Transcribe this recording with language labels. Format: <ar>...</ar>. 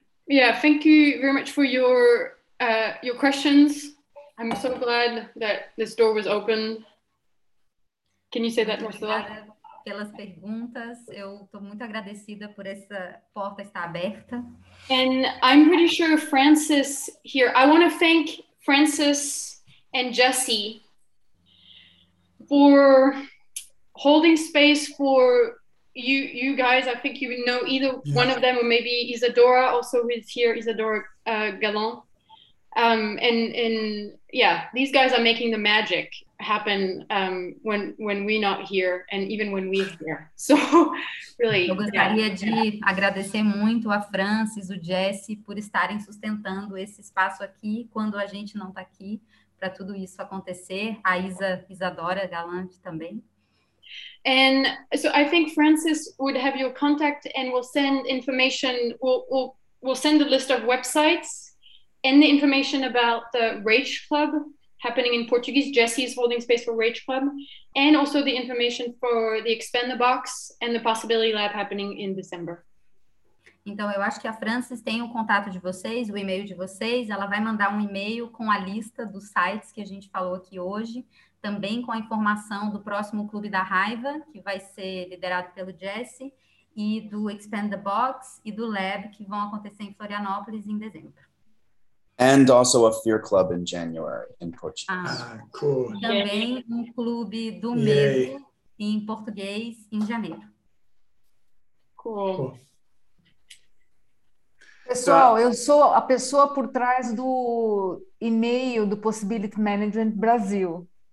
<en>Yeah, thank you very much for your questions. I'm so glad that this door was open. Can you say that, Marcela?</en> <pt>Pelas perguntas, eu estou muito agradecida por essa porta estar aberta.</pt> <en>And I'm pretty sure Francis here. I want to thank Francis and Jesse for holding space for you guys. I think you know either one of them, or maybe Isadora also is here. Isadora Galan. And yeah, these guys are making the magic happen when we're not here, and even when we're here. So really,</en> <pt>eu gostaria de agradecer muito a Francis, o Jesse, por estarem sustentando esse espaço aqui quando a gente não está aqui, para tudo isso acontecer. A Isadora Galante também.</pt> <en>And so I think Francis would have your contact, and we'll send information. We'll send a list of websites. And the information about the Rage Club happening in Portuguese, Jesse is holding space for Rage Club, and also the information for the Expand the Box and the Possibility Lab happening in December.</en> <pt>Então, eu acho que a Frances tem o contato de vocês, o e-mail de vocês, ela vai mandar um e-mail com a lista dos sites que a gente falou aqui hoje, também com a informação do próximo Clube da Raiva, que vai ser liderado pelo Jesse, e do Expand the Box e do Lab, que vão acontecer em Florianópolis em dezembro.</pt> <en>And also a Fear Club in January in Portuguese. Ah, cool.</en> <pt>Também um clube do medo em português em janeiro.</pt> <en>Cool.</en> <pt>Pessoal, eu sou a pessoa por trás do e-mail do Possibility Management Brasil.</pt>